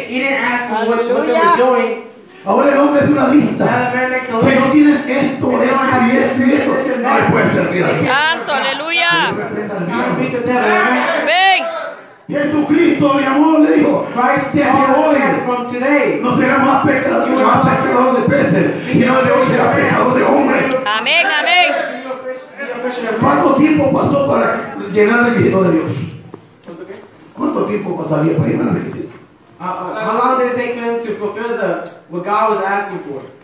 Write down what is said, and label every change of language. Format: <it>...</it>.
<en>He didn't ask him what they were doing.</en> <es>Ahora el hombre es una lista. Si no tienes esto, esto y esto y esto, no le puedes servir a Dios. Santo, aleluya. Ven. Jesucristo, mi amor, le dijo, Christ te amó hoy. No será más pecador, más pecador de peces, sino de hoy será pecador de hombre. Amén, amén. ¿Cuánto tiempo pasó para llenar el requisito de Dios? ¿Cuánto tiempo pasaría para llenar el requisito?</es> <en>How long did it take him to fulfill the what God was asking for?</en>